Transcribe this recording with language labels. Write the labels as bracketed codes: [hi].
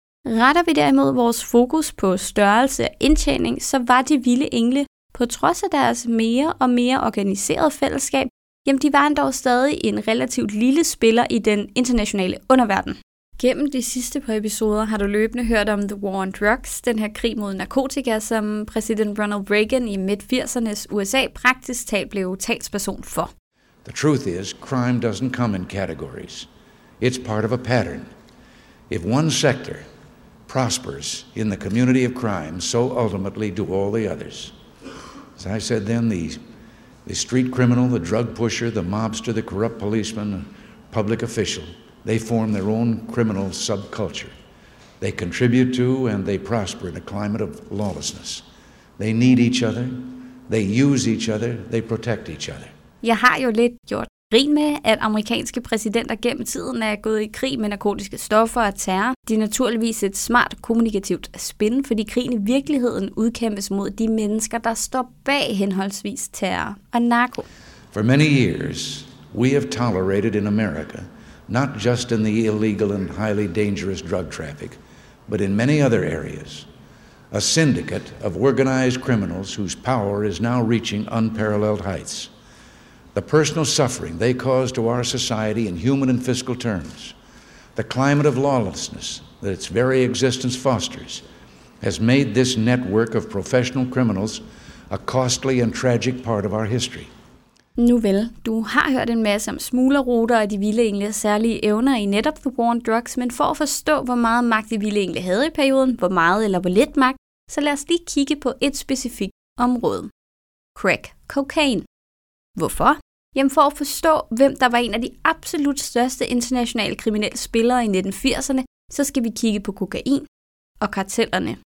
[da] Retter vi derimod vores fokus på størrelse og indtjening, så var de vilde engle, på trods af deres mere og mere organiserede fællesskab, jamen de var endog stadig en relativt lille spiller i den internationale underverden. Gennem de sidste par episoder har du løbende hørt om The War on Drugs, den her krig mod narkotika, som præsident Ronald Reagan i midt-80'ernes USA praktisk talt blev talsperson for. [en] The truth is, crime doesn't come in categories. It's part of a pattern. If one sector prospers in the community of crime, so ultimately do all the others. As I said then, the street criminal, the drug pusher, the mobster, the corrupt policeman, public official, they form their own criminal subculture. They contribute to and they prosper in a climate of lawlessness. They need each other, they use each other, they protect each other. [da] Jeg har jo lidt gjort grin med, at amerikanske præsidenter gennem tiden er gået i krig med narkotiske stoffer og terror. Det er naturligvis et smart kommunikativt spin, fordi krigen i virkeligheden udkæmpes mod de mennesker, der står bag henholdsvis terror og narko. [en] For many years, we have tolerated in America, not just in the illegal and highly dangerous drug traffic, but in many other areas, a syndicate of organized criminals whose power is now reaching unparalleled heights. The personal suffering they cause to our society in human and fiscal terms, the climate of lawlessness that its very existence fosters, has made this network of professional criminals a costly and tragic part of our history. [da] Nu vel, du har hørt en masse om smuglerruter og de vilde engle særlige evner i netop The War on Drugs, men for at forstå, hvor meget magt de vilde engle havde i perioden, hvor meget eller hvor lidt magt, så lad os lige kigge på et specifikt område. Crack cocaine. Hvorfor? Jamen for at forstå, hvem der var en af de absolut største internationale kriminelle spillere i 1980'erne, så skal vi kigge på kokain og kartellerne.